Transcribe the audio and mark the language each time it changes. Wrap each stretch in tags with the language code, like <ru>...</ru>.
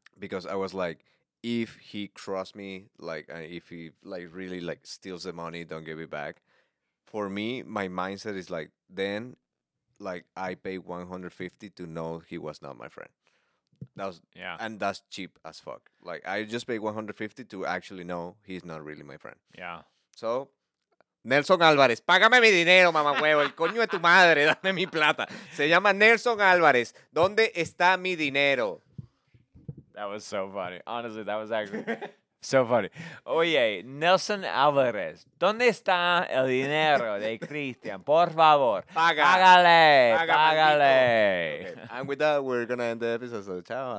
<en>Because I was like, if he cross me, like, if he like really like steals the money, don't give it back. For me, my mindset is like, then, like, I paid $150 to know he was not my friend. That was, yeah. And that's cheap as fuck. Like, I just paid $150 to actually know he's not really my friend. Yeah.</en> <es>So, Nelson Álvarez, págame mi dinero, mamá huevo. El coño de tu madre, dame mi plata. Se llama Nelson Álvarez. ¿Dónde está mi dinero?</es> <en>That was so funny. Honestly, that was actually... So funny.</en> <es>Oye, Nelson Álvarez, ¿dónde está el dinero de Cristian? Por favor. Págale. Págale.</es> <en>Okay. And with that, we're going to end the episode. So, chao.</en>